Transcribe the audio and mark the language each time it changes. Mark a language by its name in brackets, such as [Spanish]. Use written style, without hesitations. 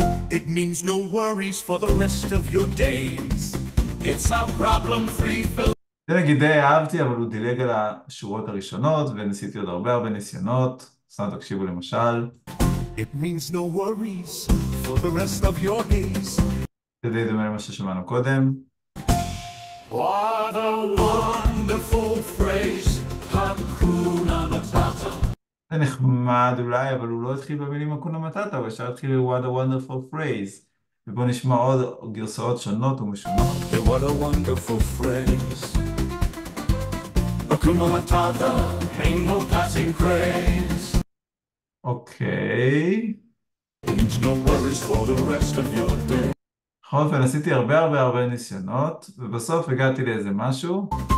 [English] It means no worries for the rest of your days. It's a problem free [Hebrew] זה נגיד די אהבתי, אבל הוא דילג על השורות הראשונות, וניסיתי עוד הרבה הרבה ניסיונות. סתם תקשיבו למשל. [English] It means no worries for the rest of your days. [Hebrew] זה די דומה למה ששמענו קודם. [English] What a wonderful phrase, Hakuna Matata. [Hebrew] זה נחמד אולי, אבל הוא לא התחיל במילים Hakuna Matata, הוא ישר התחיל ב- [English] What a wonderful phrase. [Hebrew] ובואו נשמע עוד גרסאות שונות ומשונות. [English] What a wonderful phrase, Hakuna Matata, ain't no passing craze. [Hebrew] אוקיי. [English] It's no worries for the rest of your day. [Hebrew] בכל אופן, עשיתי הרבה הרבה הרבה ניסיונות, ובסוף הגעתי לאיזה משהו.